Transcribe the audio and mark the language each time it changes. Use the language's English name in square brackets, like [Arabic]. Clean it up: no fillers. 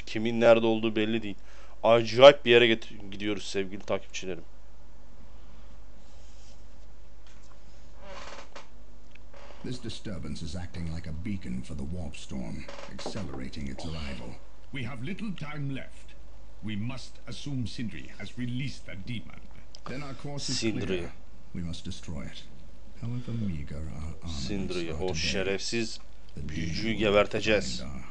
[Turkish] Kimin nerede olduğu belli değil. Acayip bir yere gidiyoruz sevgili takipçilerim. [English] This disturbance is acting like a beacon for the warp storm, accelerating its arrival. We have little time left. We must assume Sindri has released that demon. Then our course is clear. We must destroy it. However meager our armaments are today, [Turkish] o şerefsiz büyücüyü geberteceğiz.